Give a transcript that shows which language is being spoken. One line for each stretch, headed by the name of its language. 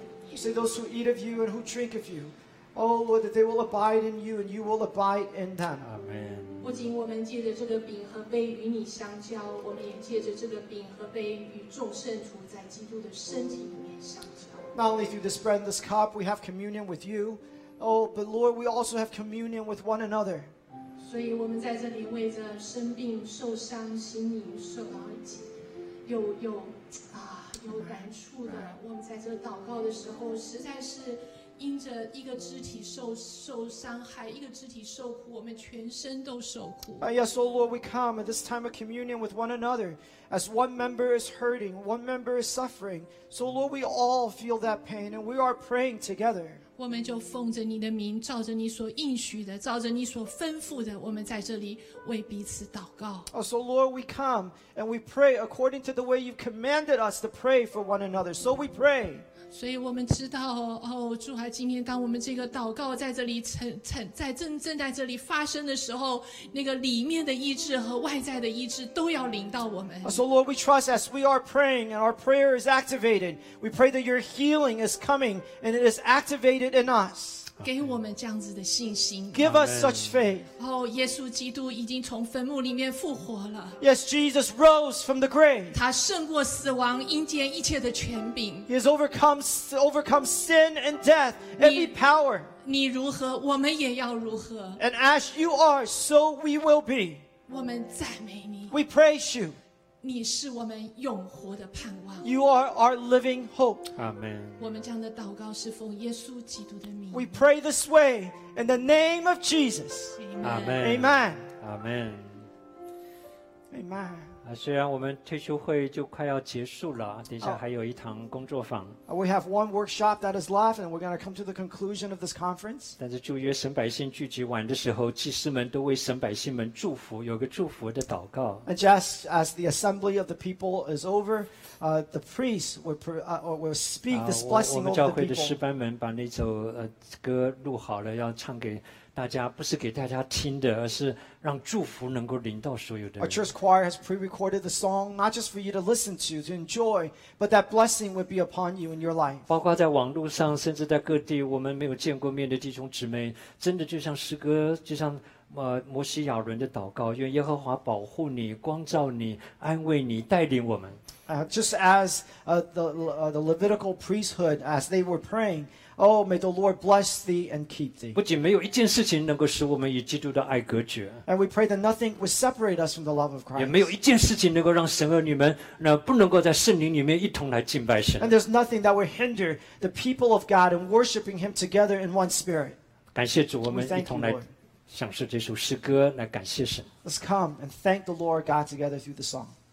English: You say those who eat of you and who drink of you, O Lord, that they will abide in you and you will abide in them. Amen.
Chinese: 不仅我们借着这个饼和杯与你相交，我们也借着这个饼和杯与众圣徒在基督的身体里面相交。
English: Not only through this bread and this cup, we have communion with you, oh, but Lord, we also have communion with one another.
Chinese: 所以我们在这里为着生病、受伤、心灵受到有感触的，我们在这祷告的时候，实在是。因着一个肢体 受伤害，一个肢体受苦，我们全身都受苦。
English: Yes, O Lord, we come at this time of communion with one another. As one member is hurting, one member is suffering. So Lord, we all feel that pain and we are praying together.
Chinese: 我们就奉着你的名，照着你所应许的，照着你所吩咐的，我们在这里为彼此祷告。
English: Oh, so Lord, we come and we pray according to the way you've commanded us to pray for one another. So we pray.
Chinese: 所以我们知道，哦，主啊，今天当我们这个祷告在这里正在这里发生的时候，那个里面的医治和外在的医治都要临到我们。
English: So Lord, we trust as we are praying and our prayer is activated, we pray that your healing is coming and it is activated. In us.
Chinese: 给我们这样子的信心。
English: Give us such faith.
Chinese: Oh, 耶稣基督已经从坟墓里面复活了。
English: Yes, Jesus rose from the grave.
Chinese: 他胜过死亡，阴间一切的权柄。
English: He has overcome sin and death, every power.
Chinese: 你如何，我们也要如何。
English: And as you are, so we will be.
Chinese: 我们赞美你。
English: We praise you.
Chinese: 你是我们永活的盼望。
English: You are our living hope. Amen.
Chinese: 我们这样的祷告是奉耶稣基督的名。
English: We pray this way in the name of Jesus. Amen. Amen. Amen. Amen.
Chinese: 虽然我们退休会就快要结束了，等一下还有一堂工作坊。
English: We have one workshop that is left, and we're going to come to the conclusion of this conference.
Chinese: 但是祝约神百姓聚集完的时候，祭司们都为神百姓们祝福，有个祝福的祷告。
English: And just as the assembly of the people is over,the priest will speak this blessing over the people.
Chinese: 我们教会的诗班们把那首歌录好了，要唱给。大家不是给大家听的，而是让祝福能够临到所有的人。
English: Our church choir has pre-recorded the song, not just for you to listen to enjoy, but that blessing would be upon you in your life.
Chinese: 包括在网络上，甚至在各地，我们没有见过面的弟兄姊妹，真的就像诗歌，就像摩西亚伦的祷告，愿耶和华保护你、光照你、安慰你、带领我们。
English: Just as the Levitical priesthood, as they were praying. Oh, may the Lord bless thee and keep thee.
Chinese: 不仅没有一件事情能够使我们与基督的爱隔绝。
English: And we pray that nothing would separate us from the love of Christ.
Chinese: 也没有一件事情能够让神儿女们那不能够在圣灵里面一同来敬拜神。
English: And there's nothing that would hinder the people of God in worshiping Him together in one spirit.
Chinese: 感谢主，我们一同来享受这首诗歌，来感谢神。
English: Let's come and thank the Lord God together through the song.